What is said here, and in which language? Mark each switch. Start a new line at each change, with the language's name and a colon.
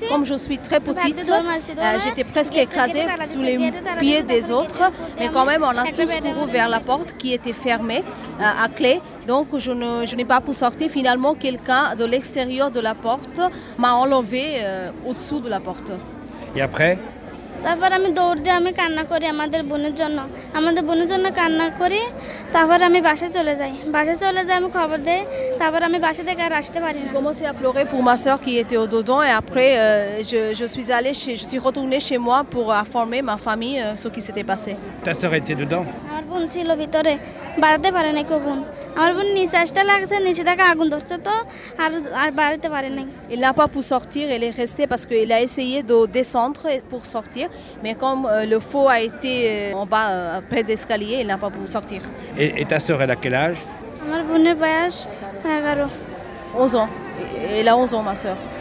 French: Comme je suis très petite, j'étais presque écrasée sous les pieds des autres. Mais quand même, on a tous couru vers la porte qui était fermée à clé. Donc, je n'ai pas pu sortir. Finalement, quelqu'un de l'extérieur de la porte m'a enlevée au-dessous de la porte. Et après?
Bangla: তারপর আমি দৌড় দিয়ে আমি কান্না করি আমাদের বোনের জন্য, আমাদের বোনের জন্য কান্না করি। তারপর আমি বাসায় চলে যাই, বাসায় চলে যাই, আমি খবর দেই, তারপর আমি বাসা থেকে আর আসতে পারি না।
French: Commencé à pleurer pour ma sœur qui était au dedans et après je suis allée chez je suis retournée chez moi pour informer ma famille ce qui s'était passé. Ta sœur était dedans?
Bangla: আমার বোন ছিল ভিতরে, বাড়াতে পারে নাই কোন। আমার বোন নিচে আসতে লাগছে, নিচে থেকে আগুন ধরছে তো আর আর বাড়াতে পারে নাই।
French: Elle n'a pas pu sortir, elle est restée parce qu'elle a essayé de descendre pour sortir. Mais comme le feu a été en bas, près de l'escalier, elle n'a pas pu sortir. Et ta sœur, elle a quel âge? Elle a 11 ans. Elle a 11 ans, ma sœur.